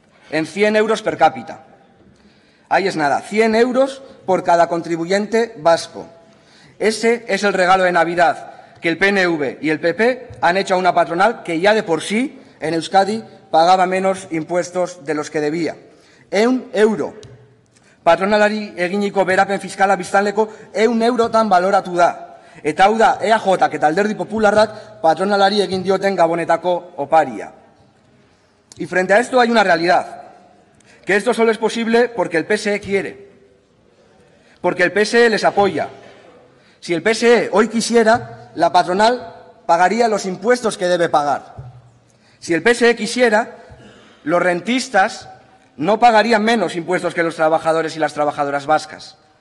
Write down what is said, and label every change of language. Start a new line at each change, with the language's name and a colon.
Spanish: En 100 euros per cápita. Ahí es nada, 100 euros por cada contribuyente vasco. Ese es el regalo de Navidad que el PNV y el PP han hecho a una patronal que ya de por sí en Euskadi pagaba menos impuestos de los que debía. 1 euro.
Basque: Patronalari eginiko berapen fiskala biztanleko 1 eurotan baloratu da. Eta hau da, EAJak eta Alderdi Popularrak patronalari egin dioten gabonetako oparia.
Spanish: Y frente a esto hay una realidad, que esto solo es posible porque el PSE quiere, porque el PSE les apoya. Si el PSE hoy quisiera, la patronal pagaría los impuestos que debe pagar. Si el PSE quisiera, los rentistas no pagarían menos impuestos que los trabajadores y las trabajadoras vascas.